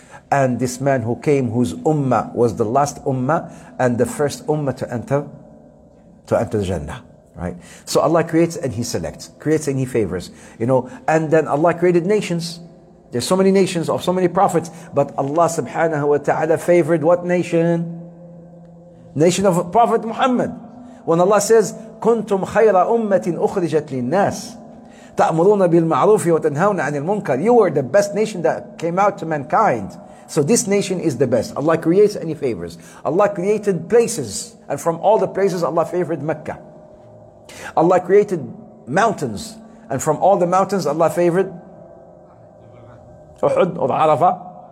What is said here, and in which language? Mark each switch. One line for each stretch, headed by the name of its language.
English: And this man who came, whose ummah was the last ummah and the first ummah to enter Jannah. Right? So Allah creates and He selects, creates and He favors, you know. And then Allah created nations. There's so many nations of so many prophets, but Allah subhanahu wa ta'ala favored what nation? Nation of Prophet Muhammad. When Allah says,
Arabic: كُنْتُمْ خَيْرَ أُمَّةٍ أُخْرِجَتْ لِلنَّاسِ تَأْمُرُونَ بِالْمَعْرُوفِ وَتَنْهَوْنَ عَنِ الْمُنْكَرِ.
English: You were the best nation that came out to mankind. So this nation is the best. Allah creates and He favors. Allah created places. And from all the places, Allah favored Mecca. Allah created mountains. And from all the mountains, Allah favored Uhud or Arafah.